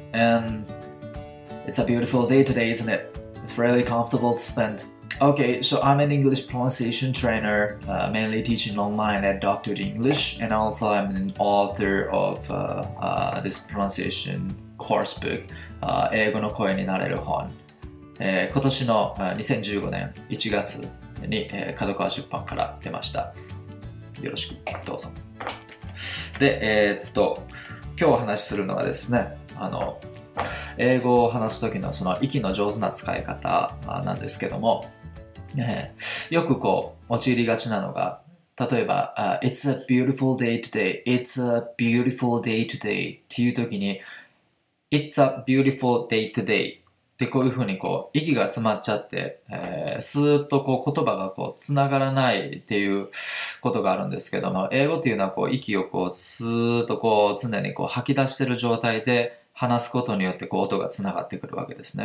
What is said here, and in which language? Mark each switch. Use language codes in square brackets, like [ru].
[en] And it's a beautiful day today, isn't it? It's really comfortable to spend. Okay, so I'm an English pronunciation trainer, mainly teaching online at Dr. D. English, and also I'm an author of this pronunciation course book, 英語の声になれる本。 [ja] 今年の2015年1月に角川出版から出ました。よろしくどうぞ。で、今日お話しするのはですね、英語を話すときのその息の上手な使い方なんですけども、よくこう、陥りがちなのが、例えば、 [en] It's a beautiful day today. It's a beautiful day today. [ja] っていうときに、 [en] It's a beautiful day today. [ja] ってこういうふうにこう、息が詰まっちゃって、スーッとこう言葉がこう、つながらないっていう、ことがあるんですけども、英語というのはこう息をこうスーッとこう常にこう吐き出している状態で話すことによってこう音がつながってくるわけですね。